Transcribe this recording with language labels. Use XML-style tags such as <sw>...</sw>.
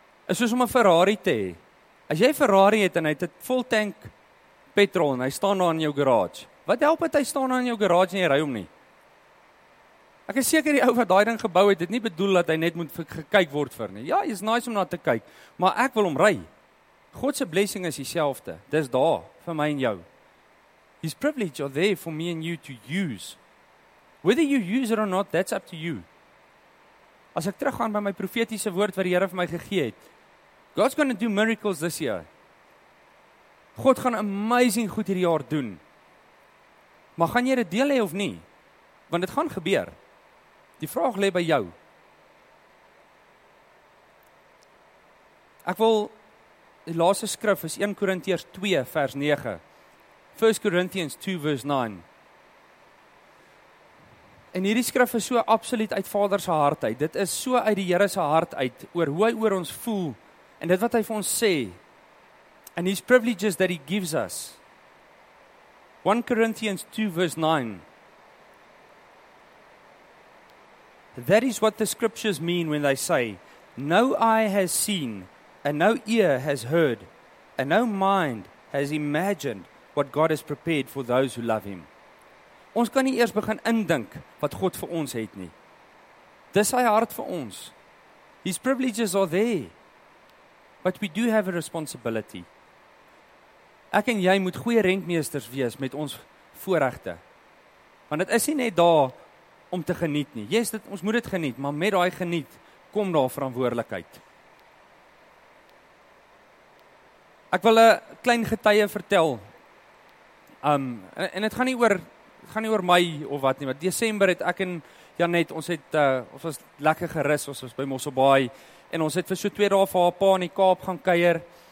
<af>Is soos om 'n Ferrari te hê. As jy 'n Ferrari het en hy het 'n full tank petrol en hy staan daar in jou garage, wat help het hy staan daar in jou garage en jy ry hom nie? Ek is seker die ou wat daai ding gebou het, dit nie bedoel dat hy net moet gekyk word vir nie. Ja, it's nice om na te kyk, maar ek wil hom ry. God se blessing is dieselfde. Dis daar vir my en jou.</af> <en>His privilege are there for me and you to use. Whether you use it or not, that's up to you.</en> <af>As ek teruggaan by my profetiese woord wat die Here vir my gegee het,</af> <en>God's going to do miracles this year.</en> <af>God gaan amazing goed hierdie jaar doen. Maar gaan jy dit deel hê of nie? Want dit gaan gebeur. Die vraag lê by jou. Ek wil die laaste skrif is 1 Korintiërs 2 vers 9.</af> <en>1 Corinthians 2 verse 9.</en> <af>En hierdie skrif is so absoluut uit Vader se hart uit. Dit is so uit die Here se hart uit oor hoe hy oor ons voel en dit wat hy vir ons sê.</af> <en>And his privileges that he gives us. 1 Corinthians 2 verse 9. That is what the scriptures mean when they say, no eye has seen, and no ear has heard, and no mind has imagined what God has prepared for those who love him.</en> <af>Ons kan nie eers begin indink wat God vir ons het nie. Dis sy hart vir ons.</af> <en>His privileges are there. But we do have a responsibility.</en> <af>Ek en jy moet goeie rentmeesters wees met ons voorregte. Want dit is nie net daar om te geniet nie. Yes, dit, ons moet dit geniet, maar met daai geniet kom daar verantwoordelikheid. Ek wil 'n klein getuie vertel. En dit gaan nie oor my of wat nie, maar Desember het ek en Janet, ons was lekker gerus, ons was by Mosselbaai en ons het vir so 2 dae vir haar pa in die Kaap gaan kuier.</af>